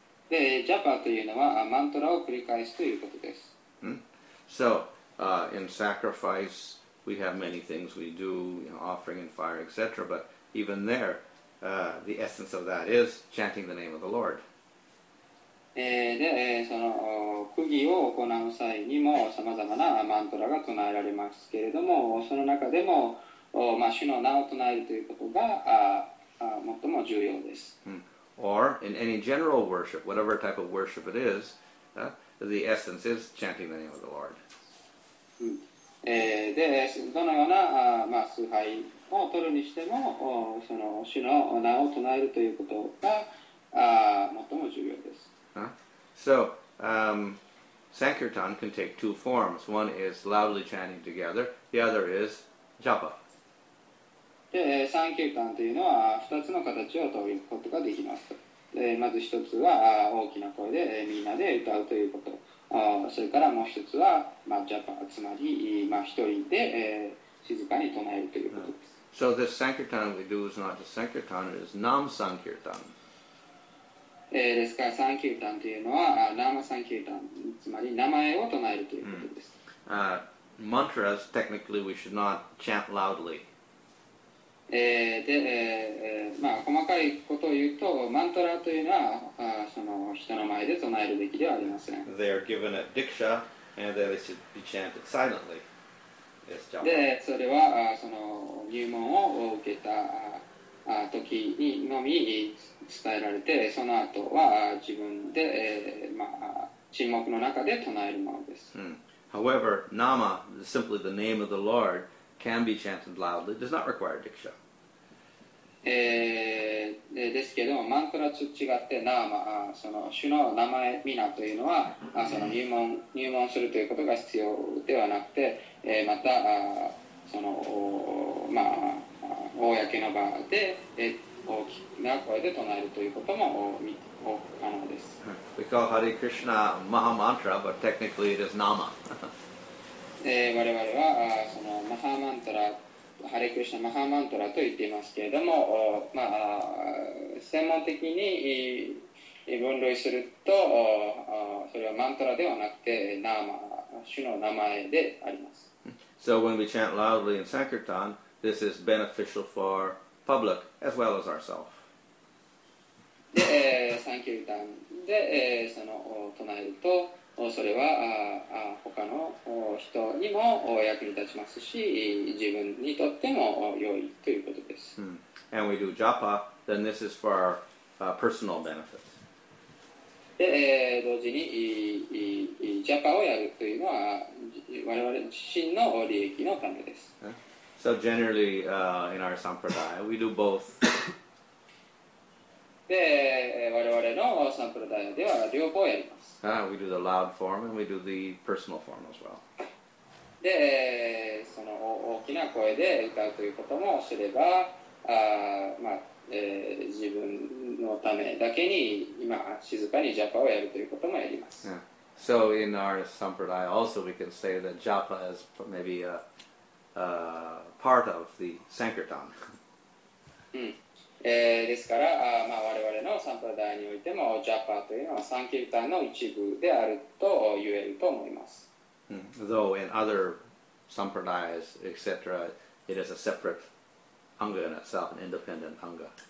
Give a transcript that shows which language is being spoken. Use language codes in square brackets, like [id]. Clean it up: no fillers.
[ja] で、japa というのは、mantra を繰り返すということです。 [en] So, in sacrifice, we have many things we do, you know, offering and fire, etc. But even there, the essence of that is chanting the name of the Lord. [ja] で、その、釘を行う際にも、さまざまな mantra が唱えられますけれども、その中でも、まあ、主の名を唱えるということが最も重要です。 [en] Or in any general worship, whatever type of worship it is, the essence is chanting the name of the Lord. [ja] で、どのような、まあ、崇拝を取るにしても、その主の名を唱えるということが最も重要です。 [en] So, Sankirtan can take two forms. One is loudly chanting together, the other is japa. [ja] で、サンキュータンというのは2つの形を取ることができます。で、まず1つは大きな声でみんなで歌うということ。それからもう1つは、まあ、ジャパ、つまり、まあ、1人で、静かに唱えるということです。 [en] So this Sankirtan we do is not just Sankirtan, it is Nam Sankirtan. [ja] ですから、サンキュータンというのは、ナマサンキュータン、つまり名前を唱えるということです。 [en] Mantras, technically we should not chant loudly. [ja] で、まあ、細かいことを言うと、マントラというのは、その人の前で唱えるべきではありません。 [en] They are given a diksha, and they should be chanted silently. [ja] で、それは、その入門を受けた時にのみ伝えられて、その後は自分で、まあ、沈黙の中で唱えるものです。 [en] However, nama, simply the name of the Lord,can be chanted loudly, does not require diksha. [ja] ですけども、マントラと違って、ナーマ、その主の名前、ミナというのは、その入門するということが必要ではなくて、また、その、まあ、公の場で、大きな声で唱えるということも可能です。 [en] We call Hare Krishna Maha Mantra, but technically it is Nama. [ja] 我々はそのマハマントラ、ハレクリシナマハマントラと言っていますけれども、まあ、専門的に分類すると、それはマントラではなくて、主の名前であります。 [en] So when we chant loudly in Sankirtan, this is beneficial for public as well as ourselves. [ja] で、サンキュータンで、その唱えると、それは他の人にも役に立ちますし、自分にとっても良いということです。 [en] And we do japa, then this is for our personal benefit. [ja] で、同時にjapa をやるというのは我々自身の利益のためです。 [en] So generally, in our sampradaya, we do both. [ja] で、我々のサンプラダイでは両方やります。 [en] We do the loud form and we do the personal form as well. [ja] で、その大きな声で歌うということもすれば、まあ、自分のためだけに今静かにジャパをやるということもやります。 [en] Yeah. So in our sampradaya also we can say that japa is maybe a part of the sankirtan. [ja] ですから、まあ、我々のサンプラダイにおいてもジャパというのはサンキルタンの一部であると言えると思います。 [en] Though in other sampradayas, etc., it is a separate anga in itself, an independent anga.